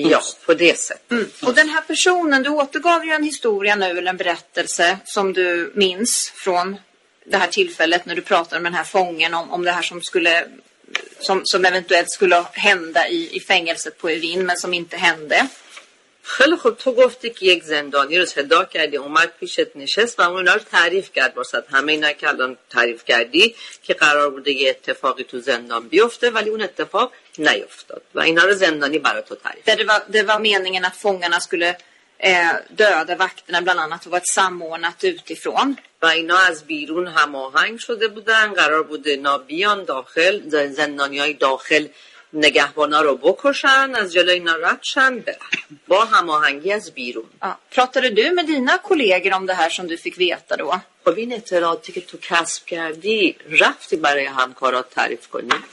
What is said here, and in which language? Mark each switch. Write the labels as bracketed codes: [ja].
[sv] Ja, på det sättet. Mm. Och den här personen, du återgav ju en historia nu eller en berättelse som du minns från det här tillfället när du pratade med den här fången om det här som skulle som eventuellt skulle hända i fängelset på Evin men som inte hände. [fa] خیلی خوب تو گفتی که یک زندانی رو صدا کردی اومد پیشت نشست و اونا رو تعریف کرد واسد همه اینا که الان تعریف کردی که قرار بوده یه اتفاقی تو زندان بیفته ولی اون اتفاق نیفتاد و اینا رو زندانی برای تو تعریف کرد [sv] det var meningen att fångarna skulle döda vakterna bland annat och var ett samordnat utifrån. [fa] و اینا از بیرون هماهنگ شده بودن قرار بوده اینا بیان داخل زندانی های داخل نگهبانا رو بکشن از جلوی اینا رد شن با هماهنگی از بیرون. [sv] Pratade du med dina kollegor om det här som du fick veta då? Och vi [fa] اطلاعاتی که تو کسب کردی رفتی برای همکارات تعریف کنی؟